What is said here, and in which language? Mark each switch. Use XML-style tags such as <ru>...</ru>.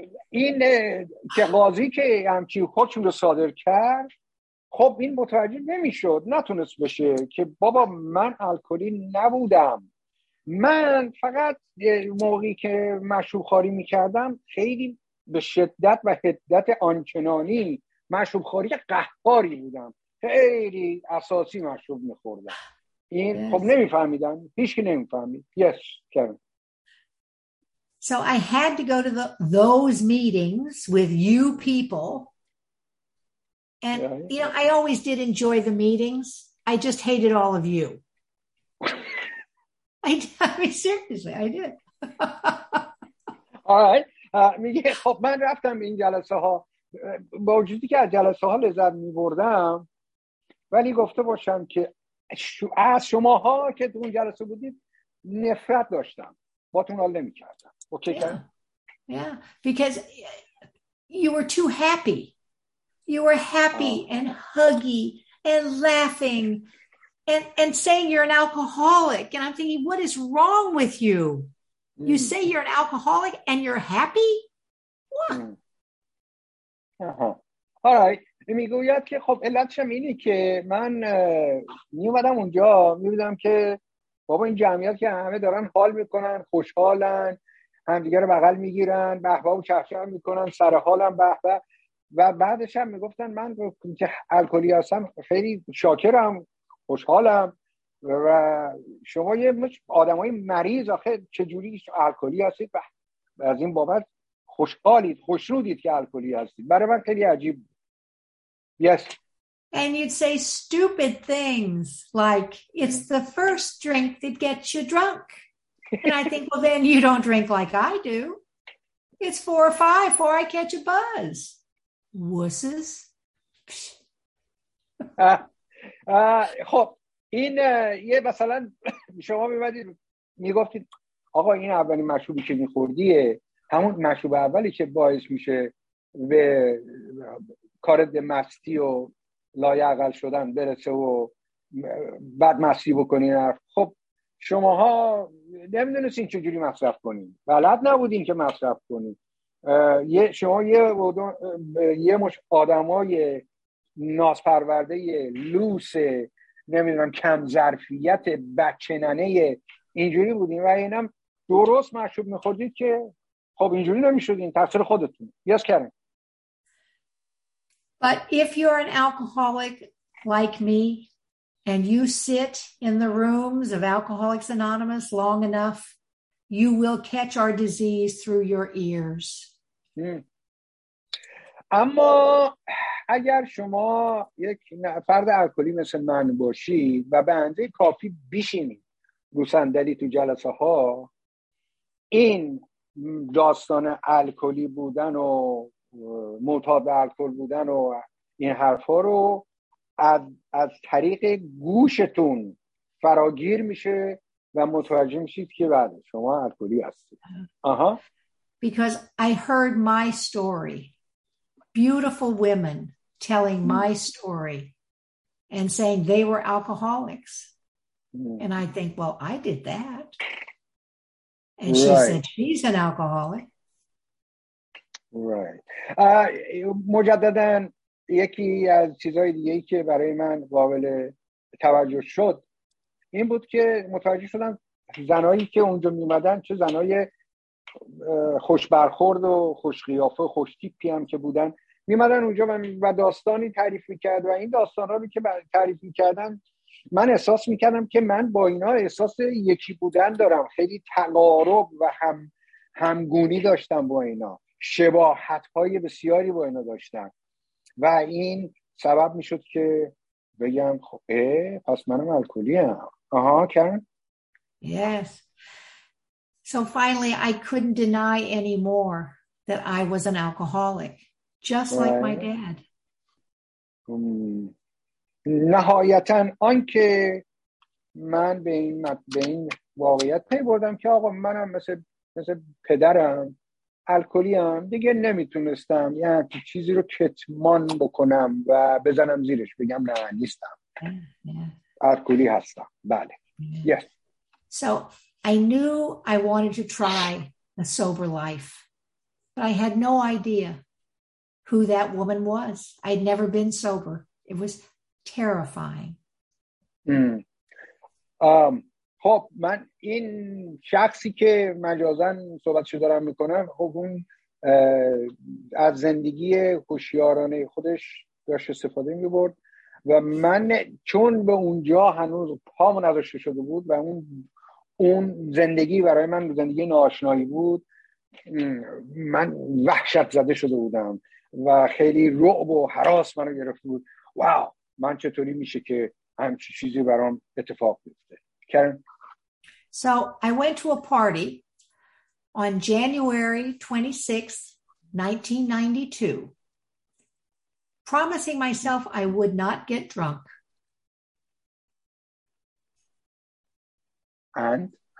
<fa>این که قاضی که همچی حکم رو صادر کرد خب این متوجه نمیشد نتونست بشه که بابا من الکلی نبودم من فقط موقعی که مشروب‌خواری میکردم خیلی به شدت و حدت آنچنانی مشروب‌خواری قهاری بودم خیلی اساسی مشروب میخوردم این</fa> <en>yes.</en> <fa>خب نمیفهمیدم هیچ که نمیفهمید</fa> <en>yes Karen. So I had to go to those meetings with you people And, you know, I always did enjoy the meetings. I just hated all of you. I mean, seriously, I did. All right.</en> <fa>میگه خب من رفتم این جلسه ها. با وجودی که از جلسه ها لذت می بردم. ولی گفته باشم که از شما ها که اون جلسه بودید نفرت داشتم. با تون حال نمی کردم.</fa> <en>Okay, yeah. Yeah, because you were too happy. You were happy and huggy and laughing and saying you're an alcoholic. And I'm thinking, what is wrong with you? Mm. You say you're an alcoholic and you're happy? Uh-huh. All right.</en> <fa>میگوید که خب علتشم اینه که من میومدم اونجا میبیدم که بابا این جمعیت که همه دارن حال میکنن خوشحالن همدیگه رو بغل میگیرن بحبه و چهچه میکنن سرحالن بحبه و بعدش هم میگفتن من که الکلی هستم خیلی شاکرم خوشحالم و شما یه آدم های مریض آخه چجوری الکلی هستید و از این بابت خوشحالید خوشنودید که الکلی هستید برای من خیلی عجیب</fa> <en>yes and you'd say stupid things like it's the first drink that gets you drunk and I think well then you don't drink like I do it's 4 or 5 before I catch a buzz Wusses.</en> <fa>خب این یه مثلا شما میمدید میگفتید آقا این اولین مشروبی که میخوردیه همون مشروب اولی که باعث میشه به کارد مستی و لایعقل شدن برسه و بعد مستی بکنین خب شماها نمیدونستین چجوری مصرف کنین بلد نبودین که مصرف کنین یه شما یه مش آدمای نازپرورده لوس نمیدونم کم ظرفیت بچه ننه اینجوری بودین و اینم درست مشروب میخوردید که خب اینجوری نمیشدین، تقصیر خودتون.</fa> <en>یاس کردن. But if you're an alcoholic like me and you sit in the rooms of Alcoholics Anonymous long enough, you will catch our disease through your ears.</en> <fa>اما اگر شما یک فرد الکلی مثل من باشید و به اندازه کافی بشینید رو صندلی تو جلسه ها، این داستان الکلی بودن و معتاد الکل بودن و این حرفا رو از طریق گوشتون فراگیر میشه و متوجه میشید که بله شما الکلی هستید. آها.</fa> <en>Because I heard my story, beautiful women telling my story and saying they were alcoholics. And I think, well, I did that. And she said, she's an alcoholic. Right.</en> <fa>مجدداً یکی از چیزهای دیگه‌ای که برای من قابل توجه شد این بود که متوجه شدم زنایی که اونجا میمدن چه زنای خوش برخورد و خوش قیافه و خوش تیپی هم که بودن میمدن اونجا و داستانی تعریف میکرد و این داستان را که تعریف میکردن من احساس میکردم که من با اینا احساس یکی بودن دارم، خیلی تقارب و همگونی داشتم با اینا، شباهت های بسیاری با اینا داشتم و این سبب میشد که بگم خب پس منم الکلی هم. آها کرن.</fa> <en>Yes. So finally I couldn't deny anymore that I was an alcoholic, just like my dad.</en> <fa>نهایتاً آن که من به این مطمئن واقعیت پی بردم که آقا منم مثل پدرم الکلی هم، دیگه نمیتونستم یه یعنی چیزی رو کتمان بکنم و بزنم زیرش بگم نه نیستم. الکلی هستم. بله.</fa> <en>Yes. So I knew I wanted to try a sober life, but I had no idea who that woman was. I'd never been sober. It was terrifying.</en> <fa>خب من این شخصی که مجازن صحبتشو دارم میکنم، خب اون از زندگی هوشیارانه خودش داشت استفاده میبرد و من چون به اونجا هنوز پامو نداشته شده بود و اون زندگی برای من زندگی ناشنایی بود، من وحشت زده شده بودم و خیلی رعب و حراس منو گرفته بود. واو من چطوری میشه که همچی چیزی برام اتفاق بیفته؟ کرن.</fa> <en>So I went to a party on January 26, 1992, promising myself I would not get drunk. And?</en>